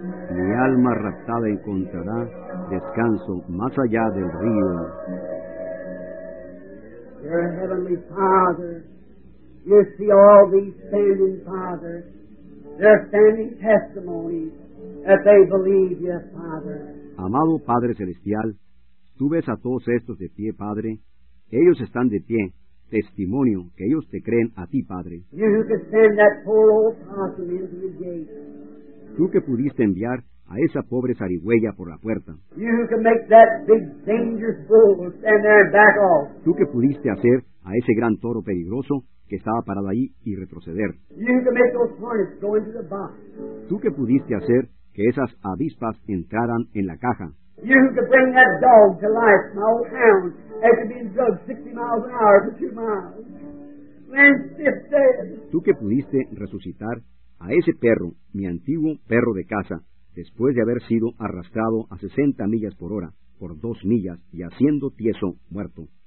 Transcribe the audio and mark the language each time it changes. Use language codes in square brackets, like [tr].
[es] Mi alma raptada encontrará descanso más allá del río. [en] Your heavenly Father, you see all these standing fathers, their standing testimonies that they believe you, Father. [es] Amado Padre Celestial, tú ves a todos estos de pie, Padre, Ellos están de pie, testimonio que ellos te creen a ti, Padre. [en] You who could send that poor old possum into the gate. [es] Tú que pudiste enviar a esa pobre zarigüeya por la puerta. [en] You who could make that big dangerous bull stand there and back off. [es] Tú que pudiste hacer a ese gran toro peligroso que estaba parado ahí y retroceder. [en] You who could make those hornets go into the box. [es] Tú que pudiste hacer que esas avispas entraran en la caja. [en] You who could bring that dog to life, my old hound, after being drugged 60 miles an hour for 2 miles. Land stiff dead. [es] Tú que pudiste resucitar a ese perro, mi antiguo perro de casa, después de haber sido arrastrado a 60 millas por hora, por 2 millas, y haciendo tieso, muerto.